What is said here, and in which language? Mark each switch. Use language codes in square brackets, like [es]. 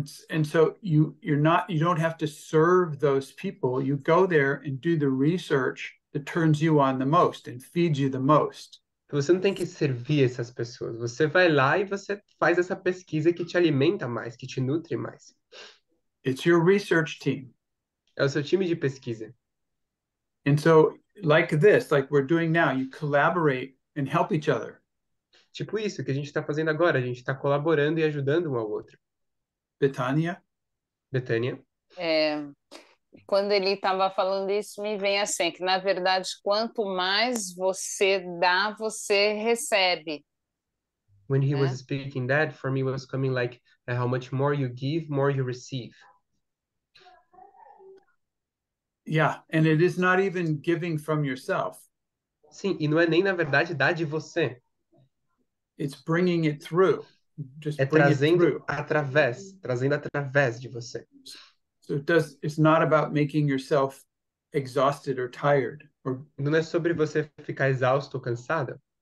[en] And so you don't have to serve those people. You go there and do the research that turns you on the most and feeds you the most. [pt] Você não tem que servir essas pessoas. Você vai lá e você faz essa pesquisa que te alimenta mais, que te nutre mais. [en] It's your research team. [pt] É o seu time de pesquisa. [en] And so, like this, like we're doing now, you collaborate and help each other. [pt] Tipo isso que a gente está fazendo agora. A gente está colaborando e ajudando um ao outro. Betânia? Betânia? É. Quando ele estava falando isso, me vem assim, que na verdade, quanto mais você dá, você recebe. [en] When he was speaking that, for me was coming like, how much more you give, more you receive. Yeah, and it is not even giving from yourself. [pt] Sim, e não é nem na verdade dar de você. [en] It's bringing it through. Just [pt] é trazendo [en] bring it through. [pt] Através, trazendo através de você. [en] So it's not about making yourself exhausted or tired. Or, [pt] não é sobre você ficar exausto ou cansado.